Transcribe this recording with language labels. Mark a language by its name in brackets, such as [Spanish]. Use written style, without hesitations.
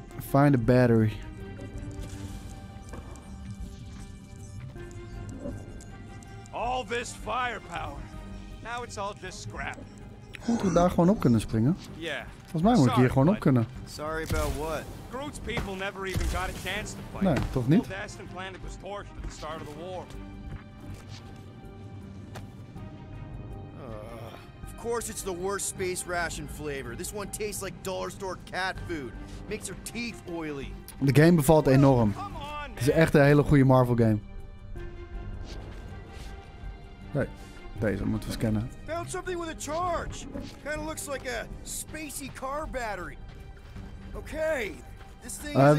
[English] Find a battery. All this firepower. Now it's all just scrap. [Dutch] Moet we daar gewoon op kunnen springen? [English] Yeah. [Dutch] Volgens mij moet ik hier gewoon op kunnen. [English] Sorry about what? Groot's people never even got a chance to fight. [Dutch] Nee, toch niet? [English] The Aston planet was torched at the start of the war. Of course it's the worst space ration flavor. This one tastes like dollar store cat food. Makes her teeth oily. [Dutch] De game bevalt enorm. [English] Come on, man. [Dutch] Het is echt een hele goede Marvel game. Hey. Deze moeten we scannen. [English] Found something with a charge. Kind of looks like a spacey car battery. Okay. This thing is